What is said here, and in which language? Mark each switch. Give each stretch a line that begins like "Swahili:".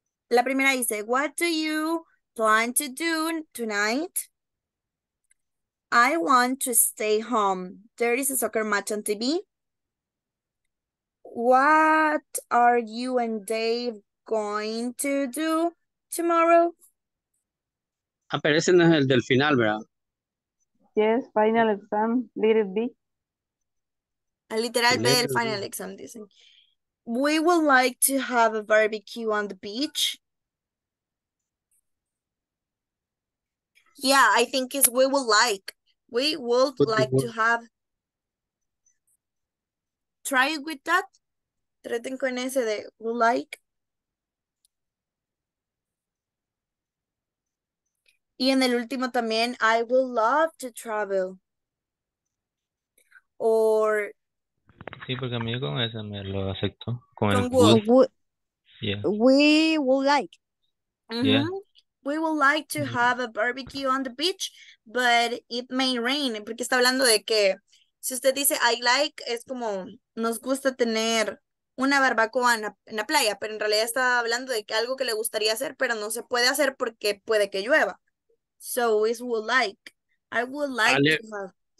Spanish: La primera dice,
English: what do you plan to do tonight? I want to stay home. There is a soccer match on TV. What are you and Dave going to do tomorrow?
Spanish: Ah, pero ese no es el del final, ¿verdad?
English: Yes, final exam, little B.
Spanish: Literal, el
English: final exam,
Spanish: dicen.
English: We would like to have a barbecue on the beach. Yeah, I think it's we would like. We would put like to have. Try it with that.
Spanish: Traten con ese de
English: would like.
Spanish: Y en el último también,
English: I would love to travel. Or.
Spanish: Sí, porque a mí con ese me lo acepto. Con el
English: We would like. Mm-hmm. Yeah. We would like to have a barbecue on the beach, but it may rain.
Spanish: Porque está hablando de que, si usted dice
English: I like,
Spanish: es como, nos gusta tener una barbacoa en la playa, pero en realidad está hablando de que algo que le gustaría hacer, pero no se puede hacer porque puede que llueva.
English: So, it would like. I would like to have.